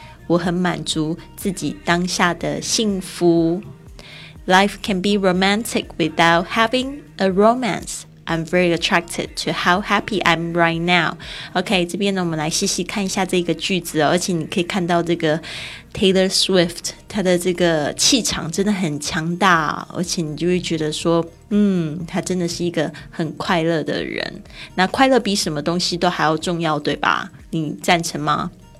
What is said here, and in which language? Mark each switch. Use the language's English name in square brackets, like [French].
[Chinese] 我很满足自己当下的幸福。 [English] Life can be romantic without having a romance. I'm very attracted to how happy I'm right now. [Chinese] OK, 这边呢我们来细细看一下这个句子哦，而且你可以看到这个 Taylor Swift, 她的这个气场真的很强大，而且你就会觉得说她真的是一个很快乐的人。那快乐比什么东西都还要重要，对吧？你赞成吗？